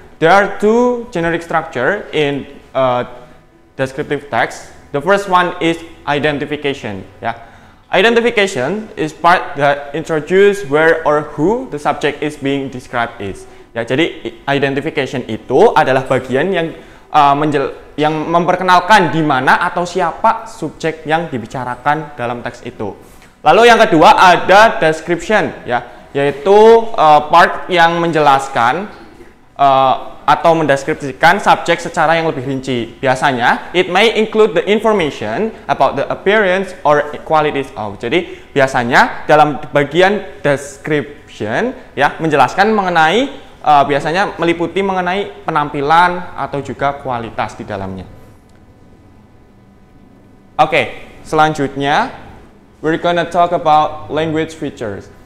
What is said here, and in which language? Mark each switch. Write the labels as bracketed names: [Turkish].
[English] There are two generic structure in descriptive text. The first one is identification. Yeah. Identification is part that introduce where or who the subject is being described is. [Indonesian] Yeah, jadi identification itu adalah bagian yang yang memperkenalkan di mana atau siapa subjek yang dibicarakan dalam teks itu. Lalu yang kedua ada description, ya, yeah, yaitu part yang menjelaskan atau mendeskripsikan subjek secara yang lebih rinci. [English] Biasanya, it may include the information about the appearance or qualities of. [Indonesian] Jadi, biasanya dalam bagian description, ya, menjelaskan mengenai, biasanya meliputi mengenai penampilan atau juga kualitas di dalamnya. [English] Oke, okay, selanjutnya, we're gonna talk about language features.